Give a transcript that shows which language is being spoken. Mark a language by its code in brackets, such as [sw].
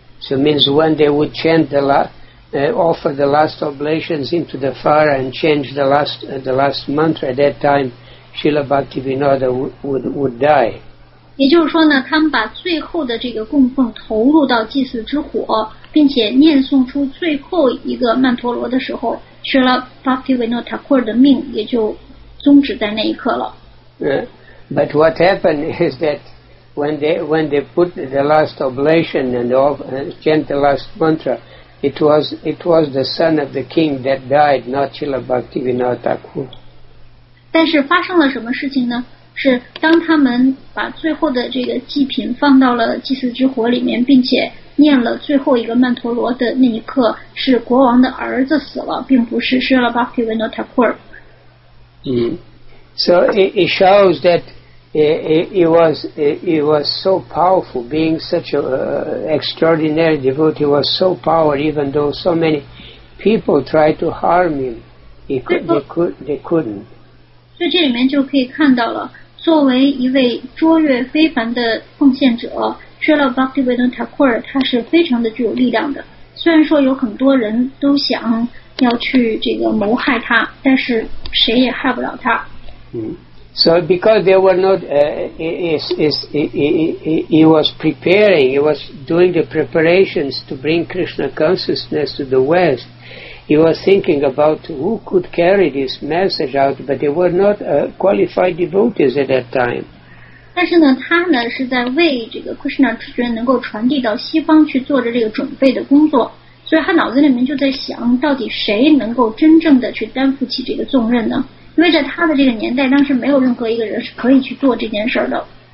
[en] So means when they would chant the last, offer the last oblations into the fire and change the last mantra at that time, Srila Bhaktivinoda would die. [zh] 也就是说呢，他们把最后的这个供奉投入到祭祀之火，并且念诵出最后一个曼陀罗的时候。 Srila Bhaktivinoda Thakura 的命也就终止在那一刻了。 [en] But what happened is that when they put the last oblation and chant the last mantra, it was the son of the king that died, not Srila Bhaktivinoda Thakura. [zh] 但是发生了什么事情呢？是当他们把最后的这个祭品放到了祭祀之火里面，并且念了最后一个曼陀罗的那一刻，是国王的儿子死了，并不是Srila Bhaktivinoda Thakura。 [en] So it shows that he was so powerful, being such an extraordinary devotee, was so powerful, even though so many people tried to harm him, they couldn't. [zh] 所以这里面就可以看到了，作为一位卓越非凡的奉献者。 Srila Bhaktivinoda Thakura 他是非常的具有力量的，虽然说有很多人都想要去这个谋害他，但是谁也害不了他。 [en] So because they were not he was doing the preparations to bring Krishna consciousness to the West, he was thinking about who could carry this message out, but they were not qualified devotees at that time. [zh] 但是呢，他呢是在为这个 Krishna 知觉能够传递到西方去做着这个准备的工作，所以他脑子里面就在想，到底谁能够真正的去担负起这个重任呢？因为在他的这个年代，当时没有任何一个人是可以去做这件事的。